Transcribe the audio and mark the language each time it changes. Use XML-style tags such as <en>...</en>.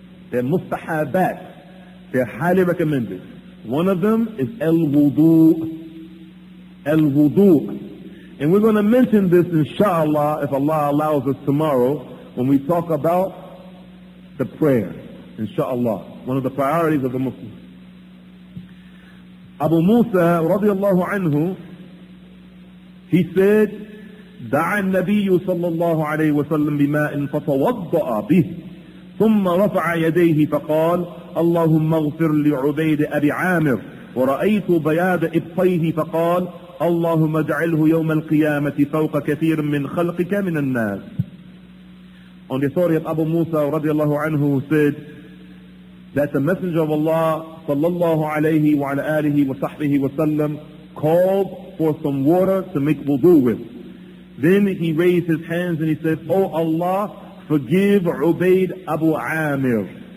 <en>They're mustahabat. They're highly recommended. One of them is al-wudu. Al-wudu. And we're going to mention this, inshallah, if Allah allows us tomorrow, when we talk about the prayer, inshallah. One of the priorities of the Muslim. Abu Musa, radiallahu anhu, he said,</en> <ar>دعا النبي صلى الله عليه وسلم بماء فتوضأ به ثم رفع يديه فقال اللهم اغفر لعبيد أبي عامر ورأيت بياض إبطيه فقال اللهم اجعله يوم القيامة فوق كثير من خلقك من الناس.</ar> <en>On the authority of Abu Musa</en> <ar>رضي الله عنه,</ar> <en>who said that the Messenger of Allah</en> <ar>صلى الله عليه وعلى آله وصحبه وسلم</ar> <en>called for some water to make wudu with. Then he raised his hands and he said, O Allah, forgive Ubaid Abu Amir.</en>